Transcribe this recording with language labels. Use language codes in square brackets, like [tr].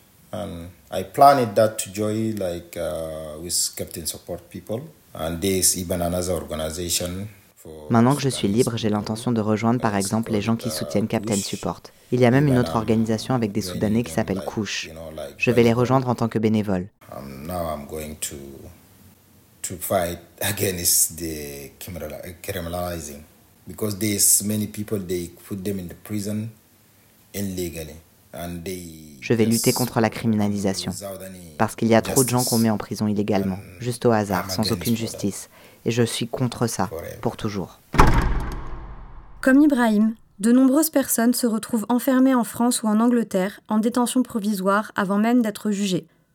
[en] And I planned that to join like with Captain Support people and this even another organization for. [fr] Maintenant que je suis libre, j'ai l'intention de rejoindre par exemple les gens qui soutiennent Captain Support. Il y a même une autre organisation avec des Soudanais qui s'appelle Kouch. Je vais les rejoindre en tant que bénévole. [en] Now I'm going to fight against the criminalizing because there's many people they put them in the prison illegally. [fr] Je vais lutter contre la criminalisation, parce qu'il y a trop de gens qu'on met en prison illégalement, juste au hasard, sans aucune justice. Et je suis contre ça, pour toujours. Comme Ibrahim, de nombreuses personnes se retrouvent enfermées en France ou en Angleterre, en détention provisoire, avant même d'être jugées.